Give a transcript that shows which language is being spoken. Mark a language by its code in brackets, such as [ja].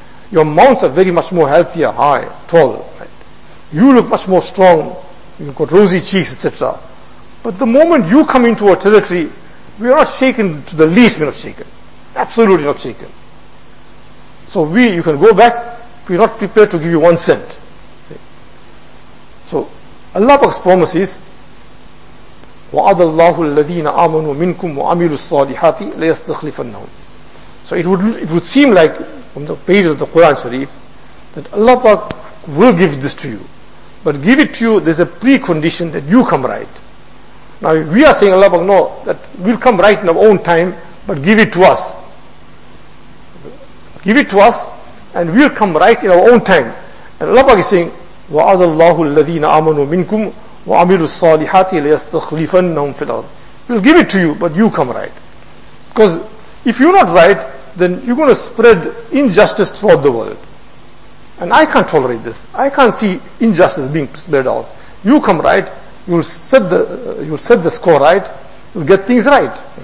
[en] Your mounts are very much more healthier, high, tall, right? You look much more strong, you've got rosy cheeks, etc. But the moment you come into our territory, we are not shaken to the least, we are not shaken. Absolutely not shaken. So you can go back, we are not prepared to give you 1 cent. So Allah's promise is, [ar] وَعَدَ اللَّهُ الَّذِينَ آمَنُوا مِنْكُمْ وَعَمِلُوا الصَّالِحَاتِ لَيَسْتَخْلِفَنَّهُمْ. [en] So it would seem like, from the pages of the Quran Sharif, that Allah will give this to you. But give it to you, there's a precondition that you come right. Now we are saying, Allah, no, that we'll come right in our own time, but give it to us. Give it to us, and we'll come right in our own time. And Allah is saying, [ar] وَعَذَ اللَّهُ الَّذِينَ آمَنُوا مِنْكُمْ وَعَمِلُوا الصَّالِحَاتِ لَيَسْتَخْلِفَنَّهُمْ فِي الْأَرْضِ. [en] We'll give it to you, but you come right. Because if you're not right, then you're going to spread injustice throughout the world. And I can't tolerate this. I can't see injustice being spread out. You come right, you'll set the score right, you'll get things right.